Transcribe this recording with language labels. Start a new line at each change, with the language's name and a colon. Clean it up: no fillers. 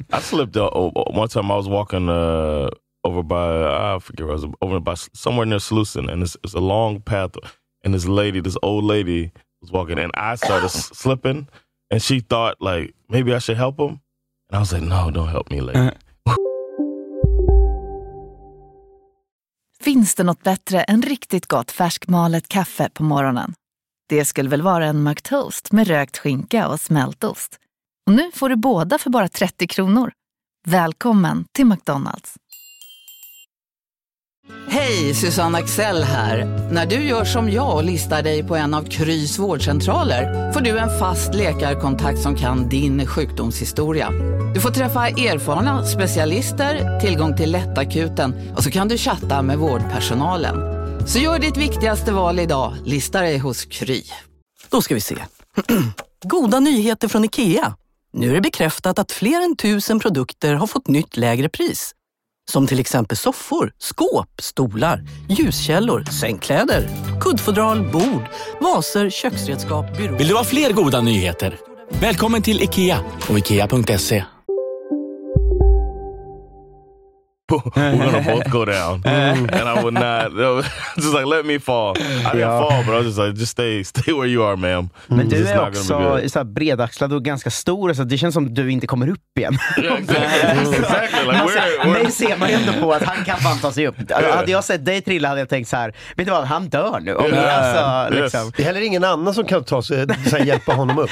English: I slipped one time I was walking over by, I forget where I was, over by somewhere near Slusen, and it's a long path. And this lady, this old lady, was walking, and I started slipping, and she thought, like, maybe I should help him. And I was like, no, don't help me, lady.
Swedish: Finns det något bättre än riktigt gott färskmalet kaffe på morgonen? Det skulle väl vara en McToast med rökt skinka och smältost. Och nu får du båda för bara 30 kronor. Välkommen till McDonald's. Hej, Susanne Axel här. När du gör som jag och listar dig på en av Krys vårdcentraler får du en fast läkarkontakt som kan din sjukdomshistoria. Du får träffa erfarna specialister, tillgång till lättakuten och så kan du chatta med vårdpersonalen. Så gör ditt viktigaste val idag. Lista dig hos Kry. Då ska vi se. Goda nyheter från IKEA. Nu är det bekräftat att fler än 1000 produkter har fått nytt lägre pris. Som till exempel soffor, skåp, stolar, ljuskällor, sängkläder, kuddfodral, bord, vaser, köksredskap, byrå. Vill du ha fler goda nyheter? Välkommen till IKEA och IKEA.se.
English: We're gonna both go down. And I would not, just like, let me fall. I can fall, but I was just like, just stay where you are, ma'am.
Swedish: Men du är också så här bredaxlad och ganska stor, så det känns som du inte kommer upp igen.
English: Exactly.
Swedish: Men ser man ju ändå på att han kan fan ta sig upp. Hade jag sett dig trilla hade jag tänkt så här, vet du vad, han dör nu. Det är heller ingen annan som kan ta sig, så här, hjälpa honom upp.